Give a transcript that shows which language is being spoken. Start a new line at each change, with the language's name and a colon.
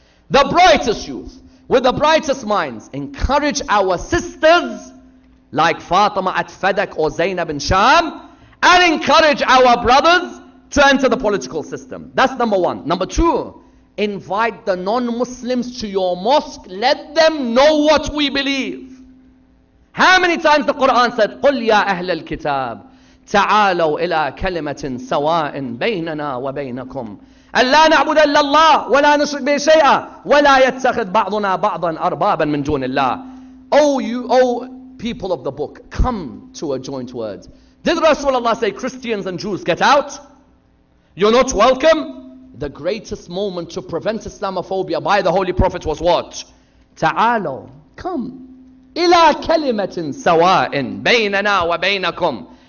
English: The brightest youth with the brightest minds. Encourage our sisters like Fatima at Fadak or Zainab in Sham, and encourage our brothers to enter the political system. That's number one. Number two, invite the non-Muslims to your mosque. Let them know what we believe.
Arabic: How many times the Quran said, قُلْ يَا أَهْلَ الْكِتَابِ تَعَالَوْا إِلَىٰ كَلِمَةٍ سَوَاءٍ بَيْنَنَا وَبَيْنَكُمْ أَلَّا نَعْبُدَ إِلَّا اللَّهَ وَلَا نُشْرِكْ بِهِ شَيْئًا وَلَا يَتَّخِذْ بَعْضُنَا بَعْضًا أَرْبَابًا مِنْ دُونِ اللَّهِ.
English: Oh, people of the book, come to a joint word. Did Rasulullah say, Christians and Jews, get out? You're not welcome? The greatest moment to prevent Islamophobia by the Holy Prophet was what?
Arabic: Ta'alo, come. Ila kalimatin sawa'in baynana wa baynakum.